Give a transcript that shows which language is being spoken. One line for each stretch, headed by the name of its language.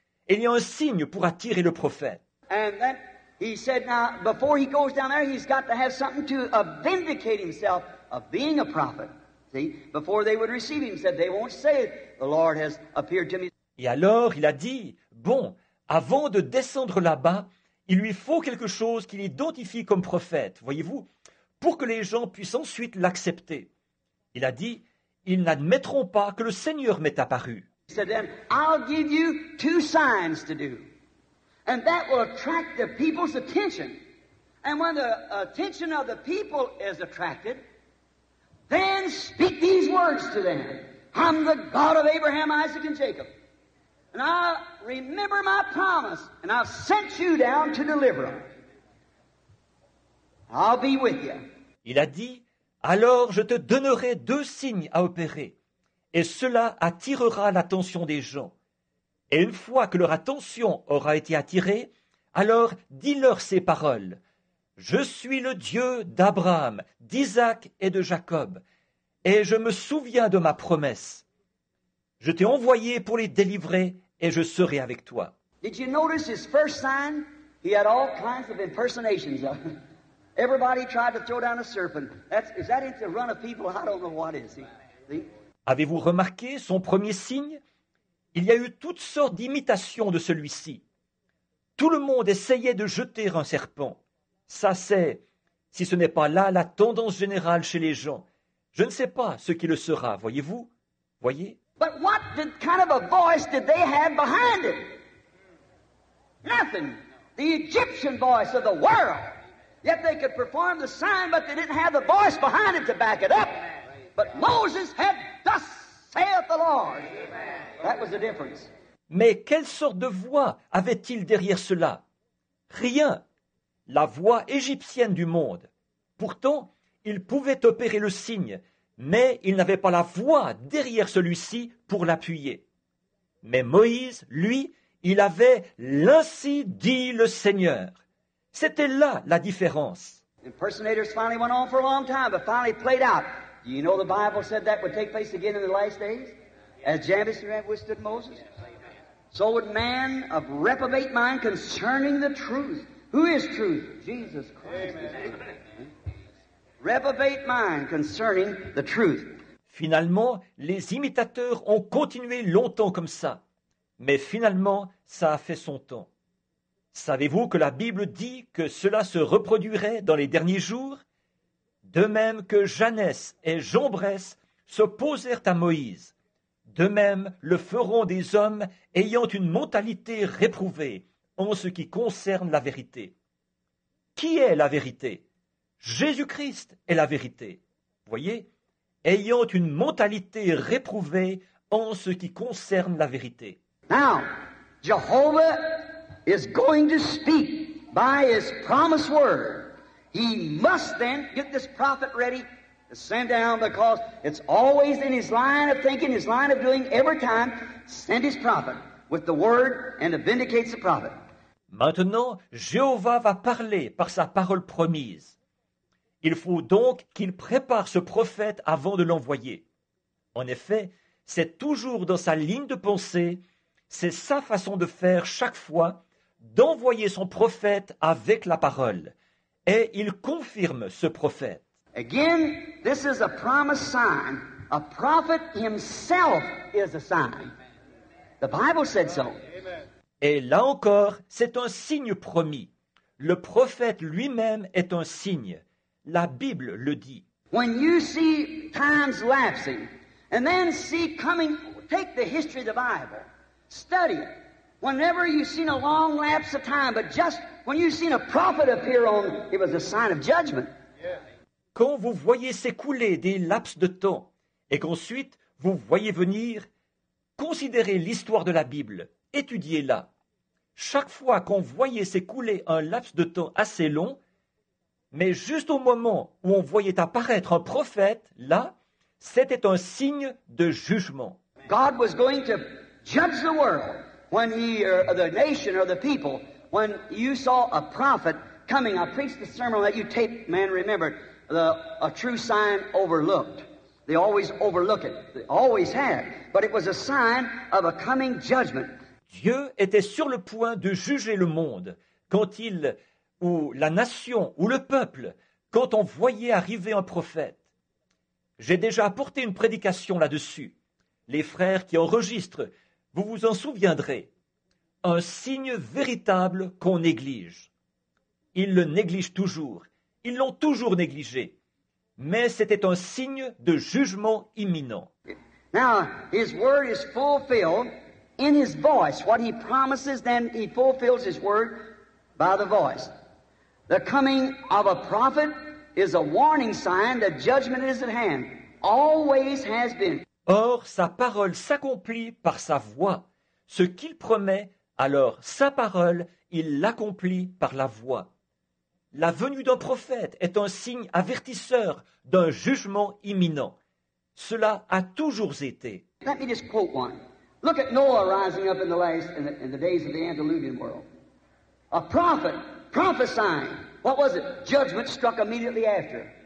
French: Il y a un signe pour attirer le prophète.
English: And then he said, now, before he goes down there, he's got to have something to vindicate himself of being a prophet. See, before they would receive him, he said, they won't say it. The Lord has appeared to me.
French: Et alors, il a dit, bon, avant de descendre là-bas, il lui faut quelque chose qu'il identifie comme prophète, voyez-vous, pour que les gens puissent ensuite l'accepter. Il a dit, ils n'admettront pas que le Seigneur m'est apparu.
English: He said, then, I'll give you two signs to do, and that will attract the people's attention. And when the attention of the people is attracted, then speak these words to them. I'm the God of Abraham, Isaac, and Jacob. And I remember my promise, and I've sent you down to deliver them. I'll be with you.
French: Il a dit, alors je te donnerai deux signes à opérer, et cela attirera l'attention des gens. Et une fois que leur attention aura été attirée, alors dis-leur ces paroles. Je suis le Dieu d'Abraham, d'Isaac et de Jacob, et je me souviens de ma promesse. Je t'ai envoyé pour les délivrer, et je serai avec toi.
English: Did you notice his first sign? He had all kinds of impersonations. Everybody tried to throw down a serpent. Is that into a run of people? I don't know what is.
French: Avez-vous remarqué son premier signe? Il y a eu toutes sortes d'imitations de celui-ci. Tout le monde essayait de jeter un serpent. Ça, c'est, si ce n'est pas là la tendance générale chez les gens, je ne sais pas ce qui le sera, voyez-vous? Voyez?
English: But what kind of a voice did they have behind it? Nothing. The Egyptian voice of the world. Yet they could perform the sign, but they didn't have the voice behind it to back it up. But Moses had, thus saith the Lord. That was the difference.
French: Mais quelle sorte de voix avait-il derrière cela? Rien. La voix égyptienne du monde. Pourtant, il pouvait opérer le signe, mais il n'avait pas la voix derrière celui-ci pour l'appuyer. Mais Moïse, lui, il avait « Ainsi dit le Seigneur ». C'était là la différence.
English: Impersonators finally went on for a long time, but finally played out. Do you know the Bible said that would take place again in the last days? As Jabez withstood Moses? So would man of reprobate mind concerning the truth. Who is truth? Jesus Christ. Amen. Reprobate mind concerning the truth.
French: Finalement, les imitateurs ont continué longtemps comme ça. Mais finalement, ça a fait son temps. Savez-vous que la Bible dit que cela se reproduirait dans les derniers jours? De même que Jannès et Jambres s'opposèrent à Moïse. De même le feront des hommes ayant une mentalité réprouvée en ce qui concerne la vérité. Qui est la vérité? Jésus-Christ est la vérité. Voyez, ayant une mentalité réprouvée en ce qui concerne la vérité.
English: Now, Jehovah is going to speak by his promised word. He must then get this prophet ready to send down, because it's always in his line of thinking, his line of doing, every time, send his prophet with the word and to vindicate the prophet.
French: Maintenant, Jéhovah va parler par sa parole promise. Il faut donc qu'il prépare ce prophète avant de l'envoyer. En effet, c'est toujours dans sa ligne de pensée, c'est sa façon de faire chaque fois, d'envoyer son prophète avec la parole. Et il confirme ce prophète.
English: Again, this is a promised sign. A prophet himself is a sign. The Bible said so.
French: Et là encore, c'est un signe promis. Le prophète lui-même est un signe. La Bible le dit.
English: When you see times lapsing, and then see coming, take the history of the Bible, study it. Whenever you've seen a long lapse of time, but just when you've seen a prophet appear on, it was a sign of judgment.
French: Quand vous voyez s'écouler des laps de temps, et qu'ensuite vous voyez venir, considérez l'histoire de la Bible, étudiez-la. Chaque fois qu'on voyait s'écouler un laps de temps assez long, mais juste au moment où on voyait apparaître un prophète, là, c'était un signe de jugement.
English: God was going to judge the world. When he, or the nation, or the people, when you saw a prophet coming, I preached a sermon that you taped, man, remember, a true sign overlooked. They always overlook it. They always have. But it was a sign of a coming judgment.
French: Dieu était sur le point de juger le monde quand il, ou la nation, ou le peuple, quand on voyait arriver un prophète. J'ai déjà apporté une prédication là-dessus. Les frères qui enregistrent, vous vous en souviendrez, un signe véritable qu'on néglige. Ils le négligent toujours, ils l'ont toujours négligé, mais c'était un signe de jugement imminent.
English: Now, his word is fulfilled in his voice. What he promises, then he fulfills his word by the voice. The coming of a prophet is a warning sign that judgment is at hand. Always has been.
French: Or, sa parole s'accomplit par sa voix. Ce qu'il promet, alors sa parole, il l'accomplit par la voix. La venue d'un prophète est un signe avertisseur d'un jugement imminent. Cela a toujours été.
English: Let me just quote one. Look at Noah rising up in the days of the Antediluvian world. A prophet prophesying. What was it? Judgment struck immediately after.